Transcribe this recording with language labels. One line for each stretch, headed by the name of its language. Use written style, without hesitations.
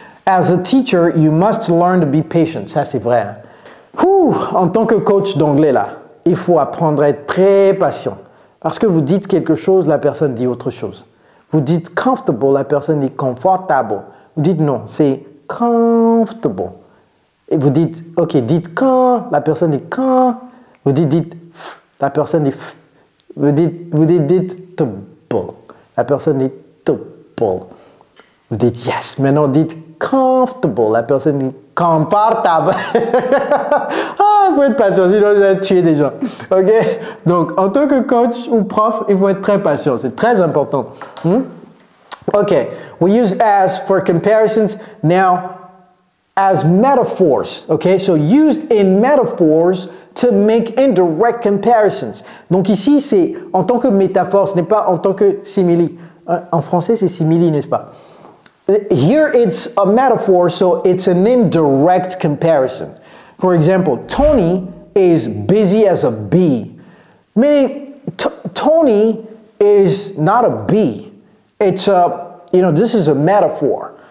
English: As a teacher, you must learn to be patient.
French: Ça, c'est vrai. Ouh, en tant que coach d'anglais, là, il faut apprendre à être très patient. Parce que vous dites quelque chose, la personne dit autre chose. Vous dites comfortable, la personne dit confortable. Vous dites non, c'est comfortable. Et vous dites, ok, dites quand, la personne dit quand. Vous dites, la personne dit, vous dites, table. La personne dit, table. Vous dites, yes, maintenant dites comfortable, la personne dit confortable. Il faut être patient, sinon vous allez tuer des gens. Ok? Donc, en tant que coach ou prof, il faut être très patient. C'est très important.
English: Hmm? Ok. We use as for comparisons. Now, as metaphors. Ok? So, used in metaphors to make indirect comparisons.
French: Donc, ici, c'est en tant que métaphore, ce n'est pas en tant que simili. En français, c'est simili, n'est-ce pas?
English: Here, it's a metaphor, so it's an indirect comparison. For example, Tony is busy as a bee. Meaning, Tony is not a bee. It's a, you know, this is a metaphor.